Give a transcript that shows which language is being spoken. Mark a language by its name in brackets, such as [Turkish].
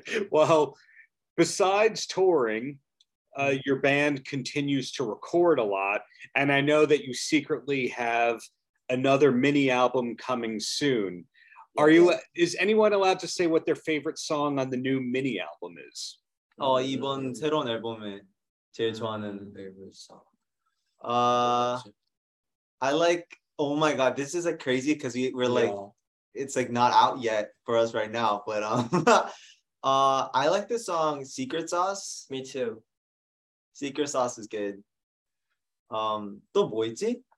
[English] Well, besides touring, your band continues to record a lot, and I know that you secretly have another mini album coming soon. Is anyone allowed to say what their favorite song on the new mini album is? [Korean] 이번 새로운 앨범에 제일 좋아하는 [English] favorite song. I like, oh my god, this is like crazy because we're like, it's like not out yet for us right now, but I like the song Secret Sauce. Me too. Secret Sauce is good. [Korean] 또 뭐 있지?